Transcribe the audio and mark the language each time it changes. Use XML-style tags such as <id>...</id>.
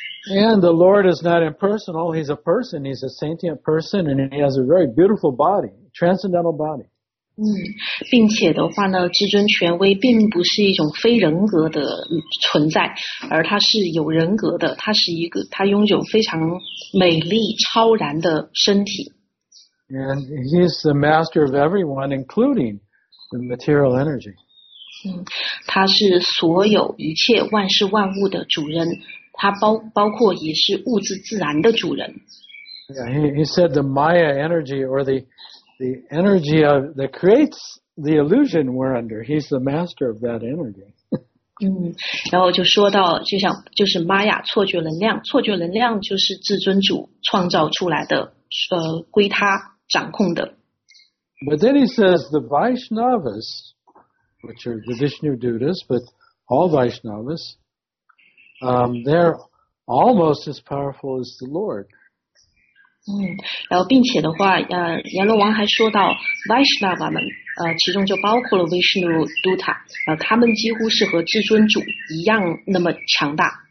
<en>And the Lord is not impersonal, he's a person, he's a sentient person, and he has a very beautiful body, transcendental body.</en> <zh>并且的话呢，至尊权威并不是一种非人格的存在，而他是有人格的，他拥有非常美丽超然的身体。</zh> <en>And he's the master of everyone, including the material energy.</en> <zh>他是所有一切万事万物的主人。他包括也是物质自然的主人。</zh> <en>Yeah, he said the Maya energy or the energy of that creates the illusion we're under. He's the master of that energy.</en> <zh>然后就说到，就是玛雅错觉能量，错觉能量就是至尊主创造出来的，归他掌控的。</zh> <en>But then he says the Vaishnavas, which are the Vishnu Dutas, but all Vaishnavas. They're almost as powerful as the Lord.</en> <zh>然后并且的话，阎罗王还说到 Vaishnava 们，其中就包括了 Vishnu Duta， 他们几乎是和至尊主一样那么强大。</zh>